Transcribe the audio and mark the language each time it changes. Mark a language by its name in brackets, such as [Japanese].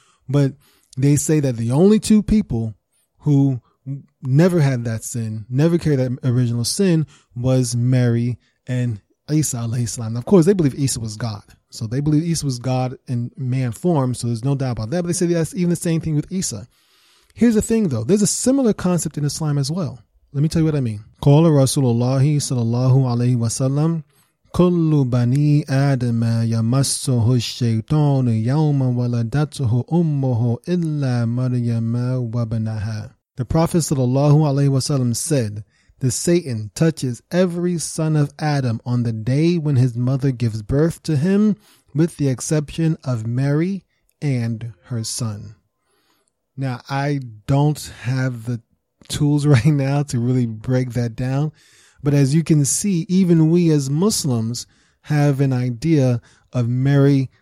[English] But they say that the only two people who never had that sin, never carried that original sin, was Mary and Isa alayhi salam. Of course, they believe Isa was God. So they believe Isa was God in man form. So there's no doubt about that. But they say that's even the same thing with Isa. Here's the thing, though. There's a similar concept in Islam as well. Let me tell you what I mean. [Arabic] قال رسول الله صلى الله عليه وسلم كل بني آدم يمسه الشيطان يوم ولدته أمه إلا مريم وابنها. [English] The Prophet sallallahu alaihi wasallam said that Satan touches every son of Adam on the day when his mother gives birth to him, with the exception of Mary and her son. Now, I don't have the tools right now to really break that down, but as you can see, even we as Muslims have an idea of Mary